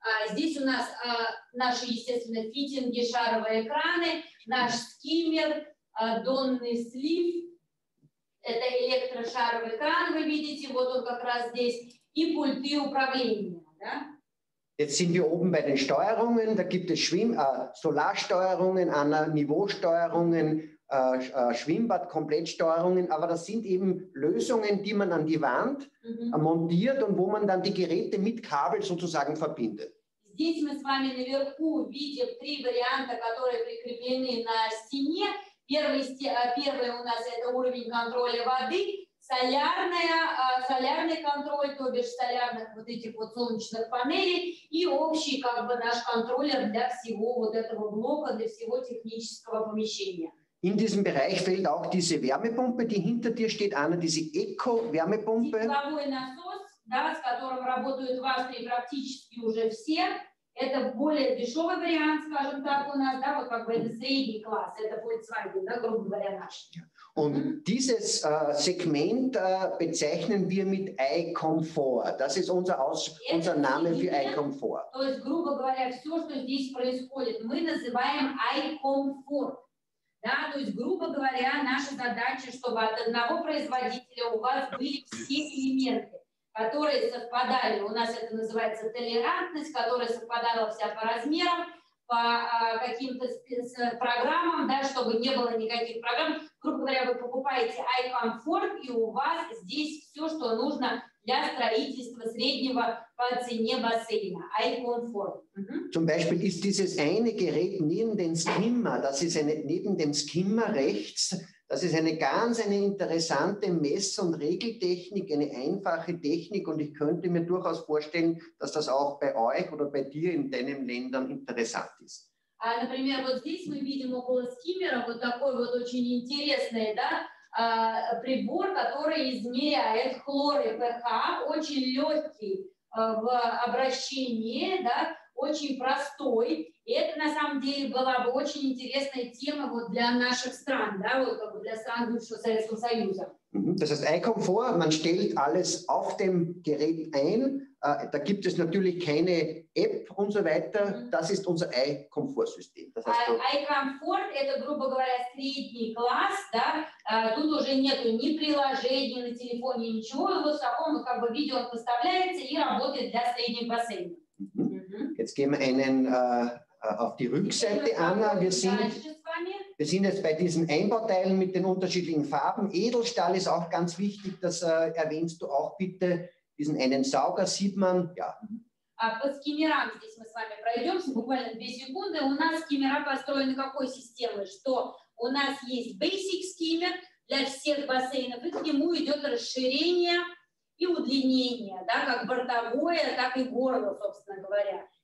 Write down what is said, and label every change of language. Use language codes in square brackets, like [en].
[ru] Здесь у нас наши, естественно, фитинги, шаровые экраны, наш скиммер, донный слив, это электрошаровый экран, вы видите, вот он как раз здесь, и пульты управления. Да? [de] Jetzt sind wir oben bei den Steuerungen, da gibt es Solarsteuerungen, Niveausteuerungen, Schwimmbad-Komplettsteuerungen, aber das sind eben Lösungen, die man an die Wand montiert und wo man dann die Geräte mit Kabel sozusagen verbindet. [ru] Здесь мы с вами наверху видим три варианта, которые прикреплены на стене. Первый у нас это уровень контроля воды, солярный контроль, то бишь солярных вот этих вот солнечных панелей и общий как бы наш контроллер для всего вот этого блока, для всего технического помещения. In diesem Bereich fällt auch diese Wärmepumpe, die hinter dir steht, eine, diese Eco-Wärmepumpe. Тепловой насос, да, с которым работают в Австрии практически уже все. Это более дешевый вариант, скажем так, у нас, да, вот как бы это средний класс, это Volkswagen, да, грубо говоря, наш. [de] Und dieses Segment bezeichnen wir mit iComfort. Das ist unser Name für iComfort. [ru] То есть, грубо говоря, все, что здесь происходит, мы называем iComfort. Да, то есть, грубо говоря, наша задача, чтобы от одного производителя у вас были все элементы, которые совпадали, у нас это называется толерантность, которая совпадала вся по размерам, по каким-то программам, да, чтобы не было никаких программ. Грубо говоря, вы покупаете iComfort, и у вас здесь все, что нужно для строительства среднего по цене бассейна. iComfort. [de] Zum Beispiel ist dieses eine Gerät neben dem Skimmer, das ist eine, neben dem Skimmer rechts, das ist eine ganz eine interessante Mess- und Regeltechnik, eine einfache Technik und ich könnte mir durchaus vorstellen, dass das auch bei euch oder bei dir in deinen Ländern interessant ist. [ru] Например, вот здесь мы видим около скиммера вот такой вот очень интересный, да, прибор, который измеряет хлор и pH, очень легкий в обращении, да, очень простой, и это на самом деле была бы очень интересная тема вот для наших стран, да, вот как бы для стран бывшего Советского Союза. [de] Das heißt, iComfort, man stellt alles auf dem Gerät ein, da gibt es natürlich keine App und so weiter, das ist unser iComfort-System. Das heißt, [ru] iComfort, это, грубо говоря, средний класс, да, тут уже нету ни приложений на телефоне, ничего, в основном, как бы, видео поставляется и работает для среднего бассейна. [de] Jetzt gehen wir einen auf die Rückseite, Anna. Wir sind jetzt bei diesen Einbauteilen mit den unterschiedlichen Farben. Edelstahl ist auch ganz wichtig, das erwähnst du auch bitte. Diesen einen Sauger sieht man, ja. [ru] По скиммерам здесь мы с вами пройдемся, буквально 2 секунды. У нас скиммера построены какой системой? Что у нас есть basic skimmer для всех бассейнов, и к нему идет расширение и удлинение, да, как бортовое, так и горло, собственно говоря.